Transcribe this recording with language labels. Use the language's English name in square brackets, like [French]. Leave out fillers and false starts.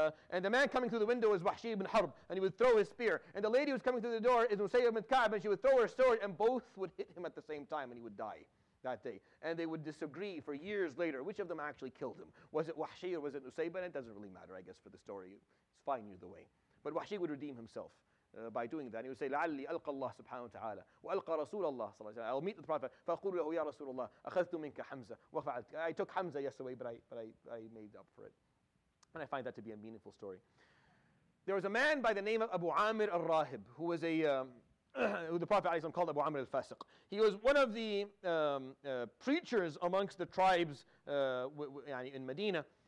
[English] And the man coming through the window is Wahshi ibn Harb, and he would throw his spear. And the lady who's coming through the door is Musayyib ibn Ka'b, and she would throw her sword, and both would hit him at the same time, and he would die that day. And they would disagree for years later, which of them actually killed him. Was it Wahshi or was it Nusayb? And it doesn't really matter, I guess, for the story. It's fine either way. But Wahshi would redeem himself by doing that. And he would say, [Arabic] لعلي ألقى الله سبحانه وتعالى وألقى رسول الله صلى الله عليه وسلم. [English] I'll meet the Prophet. [Arabic] فأقول له يا رسول الله أخذت منك حمزة وفعلت. [English] I took Hamza yesterday, but I made up for it. And I find that to be a meaningful story. There was a man by the name of Abu Amir al-Rahib, who was who the Prophet ﷺ called Abu Amir al-Fasiq. He was one of the preachers amongst the tribes in Medina.